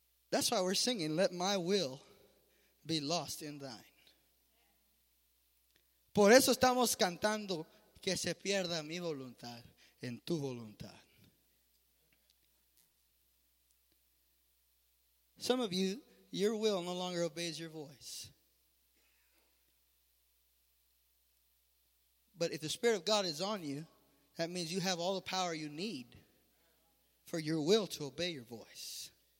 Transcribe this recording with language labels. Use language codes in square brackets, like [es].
[en] That's why we're singing, let my will be lost in thine. [es] Por eso estamos cantando que se pierda mi voluntad en tu voluntad. [en] Some of you, your will no longer obeys your voice. But if the Spirit of God is on you, that means you have all the power you need for your will to obey your voice.